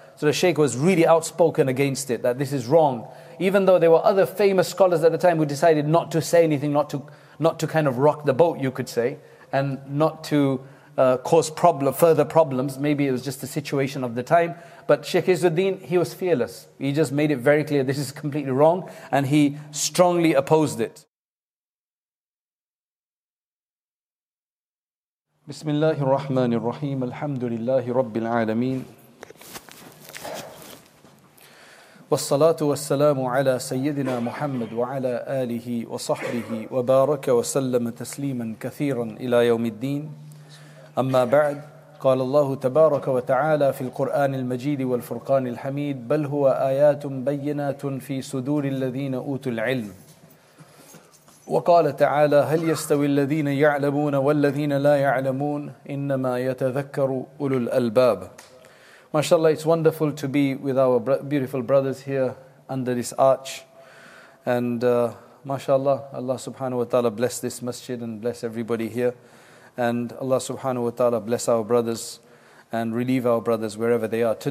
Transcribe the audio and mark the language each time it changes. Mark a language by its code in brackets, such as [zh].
[en] So the Shaykh was really outspoken against it, that this is wrong. Even though there were other famous scholars at the time who decided not to say anything, not to kind of rock the boat, you could say, and not to cause further problems. Maybe it was just the situation of the time. But Shaykh Izzuddin, he was fearless. He just made it very clear this is completely wrong, and he strongly opposed it. [ar] بسم الله الرحمن الرحيم الحمد لله رب العالمين والصلاة والسلام على سيدنا محمد وعلى آله وصحبه وبارك وسلم تسليما كثيرا إلى يوم الدين أما بعد قال الله تبارك وتعالى في القرآن المجيد والفرقان الحميد بل هو آيات بينات في صدور الذين أوتوا العلم وقال تعالى هل يستوي الذين يعلمون والذين لا يعلمون إنما يتذكر أولو الألباب. [en] MashaAllah, it's wonderful to be with our beautiful brothers here under this arch, and MashaAllah, Allah subhanahu wa ta'ala bless this masjid and bless everybody here, and Allah subhanahu wa ta'ala bless our brothers and relieve our brothers wherever they are.